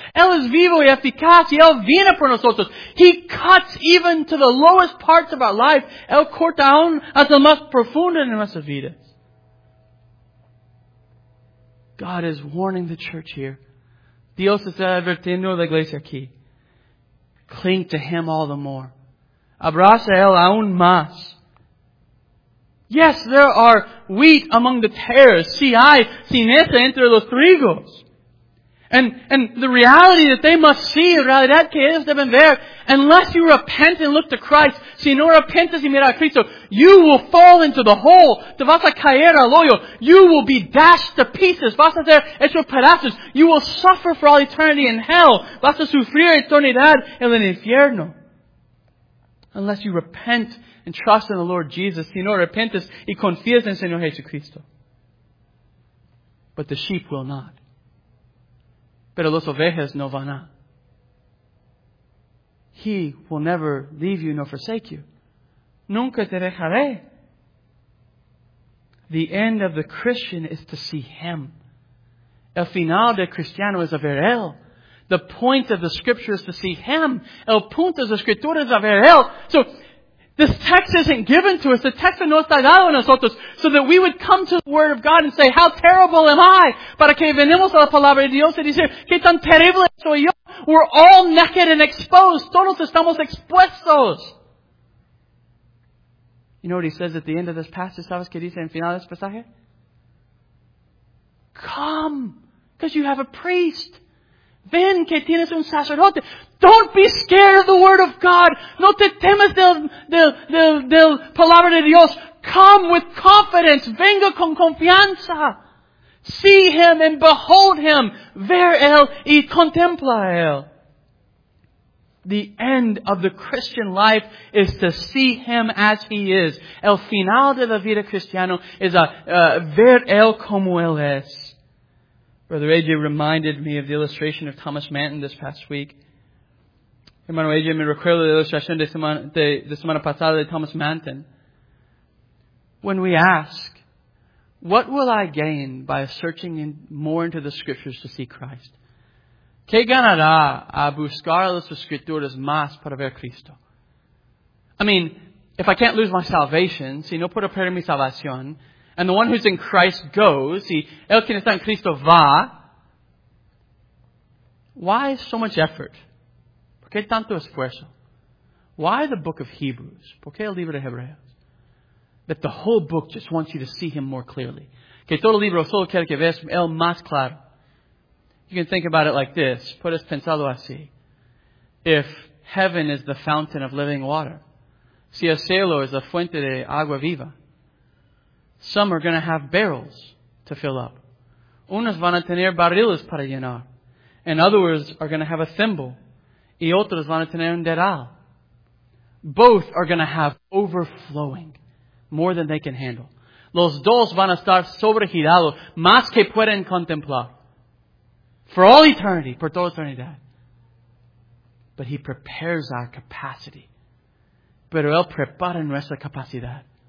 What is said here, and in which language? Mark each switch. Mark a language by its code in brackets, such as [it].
[es] Él es vivo y eficaz, y Él viene por nosotros. [en] He cuts even to the lowest parts of our life. [es] El corta aún hasta más profundo en nuestras vidas. [en] God is warning the church here. [es] Dios está advirtiendo la iglesia aquí. [en] Cling to Him all the more. [es] Abraza Él aún más. [en] Yes, there are wheat among the tares. [es] Si hay cimeza entre los trigos. [en] And the reality that they must see, [es] la realidad que ellos deben ver, [en] unless you repent and look to Christ, [es] si no repentes y miras a Cristo, [en] you will fall into the hole. [es] Te vas a caer al hoyo. [en] You will be dashed to pieces. [es] Vas a ser hecho pedazos. [en] You will suffer for all eternity in hell. [es] Vas a sufrir eternidad en el infierno. [en] Unless you repent and trust in the Lord Jesus, [es] si no repentes y confías en el Señor Jesucristo. [en] But the sheep will not. [es] Pero los ovejas no van a. [en] He will never leave you nor forsake you. [es] Nunca te dejaré. [en] The end of the Christian is to see Him. [es] El final del cristiano es a ver Él. [en] The point of the Scripture is to see Him. [es] El punto de la Escritura es a ver Él. [en] So, this text isn't given to us. The text [es] no está dado a nosotros. [en] So that we would come to the Word of God and say, how terrible am I? [es] Para que venimos a la Palabra de Dios y decir, que tan terrible soy yo? [en] We're all naked and exposed. [es] Todos estamos expuestos. [en] You know what he says at the end of this passage? [es] ¿Sabes qué dice en final de este pasaje? [en] Come, because you have a priest. [es] Ven, que tienes un sacerdote. [en] Don't be scared of the Word of God. [es] No te temas del Palabra de Dios. [en] Come with confidence. [es] Venga con confianza. [en] See Him and behold Him. [es] Ver Él y contempla Él. [en] The end of the Christian life is to see Him as He is. [es] El final de la vida cristiana es a ver Él como Él es. [en] Brother AJ reminded me of the illustration of Thomas Manton this past week. [es] Hermano AJ me recuerda la ilustración de semana pasada de Thomas Manton. [en] When we ask, what will I gain by searching more into the Scriptures to see Christ? [es] ¿Qué ganará a buscar las Escrituras más para ver Cristo? [en] I mean, if I can't lose my salvation, [es] si no puedo perder mi salvación, [en] And the one who's in Christ goes. [es] Y el que está en Cristo va. [en] Why so much effort? [es] ¿Por qué tanto esfuerzo? [en] Why the book of Hebrews? [es] ¿Por qué el libro de Hebreos? [en] That the whole book just wants you to see him more clearly. [es] Que todo el libro solo quiere que veas él más claro. [en] You can think about it like this. [es] Puedes pensarlo así. [en] If heaven is the fountain of living water, [es] si el cielo es la fuente de agua viva, [en] some are going to have barrels to fill up. [es] Unos van a tener barriles para llenar. [en] And others are going to have a thimble. [es] Y otros van a tener un dedal. [en] Both are going to have overflowing, more than they can handle. [es] Los dos van a estar sobregirados, más que pueden contemplar. [en] For all eternity, [es] por toda eternidad. [en] But he prepares our capacity. [es] Pero él prepara nuestra capacidad.